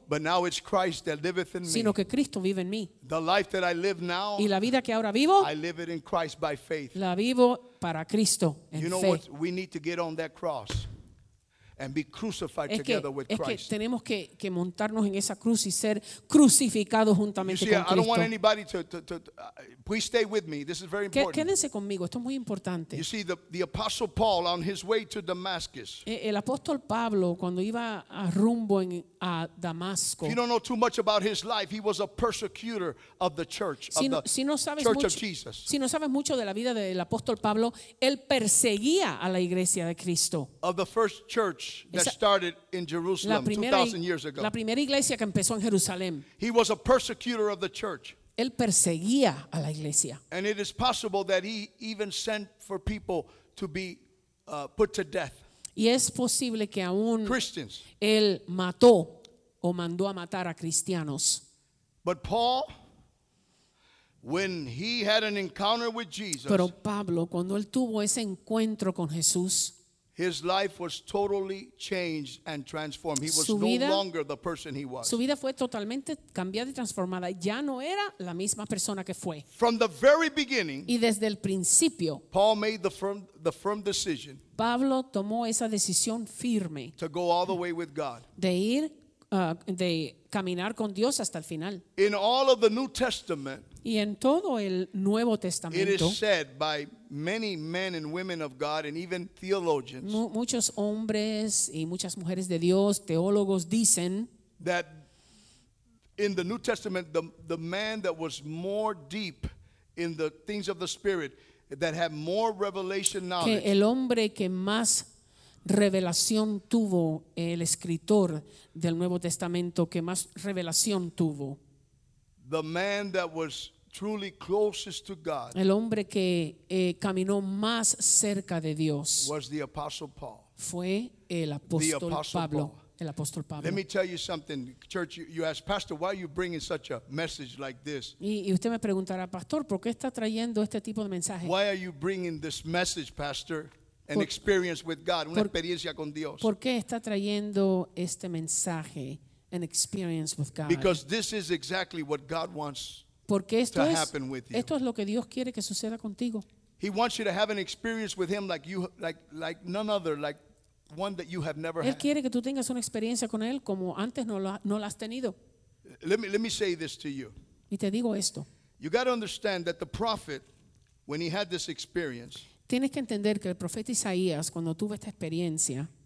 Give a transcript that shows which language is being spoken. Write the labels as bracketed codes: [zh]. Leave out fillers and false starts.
[en] But now it's Christ that liveth in me. [es] Sino que Cristo vive en mí. [en] The life that I live now, [es] y la vida que ahora vivo, [en] I live it in Christ by faith. [es] La vivo para Cristo en fe. [en] You know [es] fe. [en] What? We need to get on that cross and be crucified [es] es que, [en] together with Christ. [es] Es que tenemos que montarnos en esa cruz y ser crucificados juntamente [en] see, [es] con Cristo. [en] I don't want anybody to please stay with me. This is very important. [es] Quédense conmigo. Esto es muy importante. [en] You see, the Apostle Paul on his way to Damascus. [es] El apóstol Pablo cuando iba a rumbo a Damasco. [en] If you don't know too much about his life, he was a persecutor of the church, of Jesus. [es] Si no sabes mucho de la vida del apóstol Pablo, él perseguía a la iglesia de Cristo. [en] Of the first church that started in Jerusalem 2,000 years ago. [es] La primera iglesia que empezó en Jerusalén. [en] He was a persecutor of the church. [es] Él perseguía a la iglesia. [en] And it is possible that he even sent for people to be put to death. [es] Y es posible que aún [en] Christians. [es] Él mató o mandó a matar a cristianos. [en] But Paul, when he had an encounter with Jesus, [es] pero Pablo, cuando él tuvo ese encuentro con Jesús, [en] his life was totally changed and transformed. He was no longer the person he was. [es] Su vida fue totalmente cambiada y transformada. Ya no era la misma persona que fue. [en] From the very beginning, [es] y desde el principio, [en] Paul made the firm decision. [es] Pablo tomó esa decisión firme. [en] To go all the way with God. [es] De ir, de caminar con Dios hasta el final. [en] In all of the New Testament. [es] Y en todo el Nuevo Testamento, [en] it is said by many men and women of God and even theologians, [es] muchos hombres y muchas mujeres de Dios, teólogos dicen, [en] that In the New Testament, the man that was more deep in the things of the Spirit, that had more revelation knowledge. [es] Que el hombre que más revelación tuvo, el escritor del Nuevo Testamento que más revelación tuvo. [en] The man that was truly closest to God. [es] El hombre que caminó más cerca de Dios. [en] Was the Apostle Paul. [es] Fue el apóstol Pablo. Paul. El apóstol Pablo. [en] Let me tell you something, church. You ask, Pastor, why are you bringing such a message like this? [es] Y usted me preguntará, Pastor, ¿por qué está trayendo este tipo de mensaje? [en] Why are you bringing this message, Pastor? An experience with God, [es] una experiencia con Dios. ¿Por qué está trayendo este mensaje, [en] an experience with God? Because this is exactly what God wants to happen with you. [es] Esto es lo que Dios quiere que suceda contigo. [en] He wants you to have an experience with Him like you, like none other, like. One that you have never [es] él [en] had. [es] Él quiere que tú tengas una experiencia con él como antes no la has tenido. [en] Let me say this to you. [es] Y te digo esto. [en] You got to understand that the prophet, when he had this experience. [es] Tienes que entender que el profeta Isaías cuando tuvo esta experiencia.